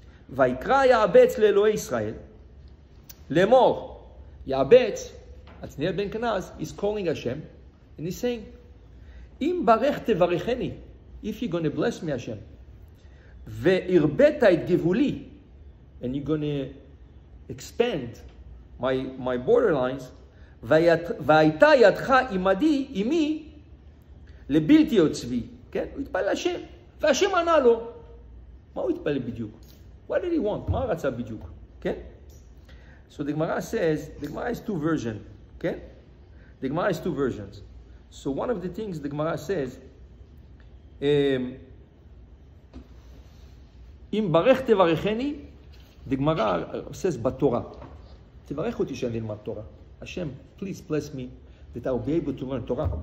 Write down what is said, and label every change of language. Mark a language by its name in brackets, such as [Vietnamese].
[Hebrew] ויקרא יעבץ לאלוהי ישראל, למור, יעבץ, עתניאל בן כנז, [English] is calling [Hebrew] השם, [English] and he's saying, [Hebrew] אם ברך תברכני, [English] if you're going to bless me [Hebrew] השם, והרבית את גבולי, [English] and you're going to expand my borderlines, [Hebrew] והייתה ידך עמדי, עמי, לבלתי עוצבי, כן? הוא התפלל השם, והשם ענה לו. מה הוא התפלל בדיוק? [English] What did he want? [Hebrew] מה רצה בדיוק? כן? [English] So the Gemara says, the Gemara has two versions, כן? The Gemara has two versions. So one of the things the Gemara says, [Hebrew] אם ברך תברכני, [English] the Gemara says בתורה. [Hebrew] תברך אותי שאני ללמד תורה. [English] Hashem, please bless me that I'll be able to learn Torah.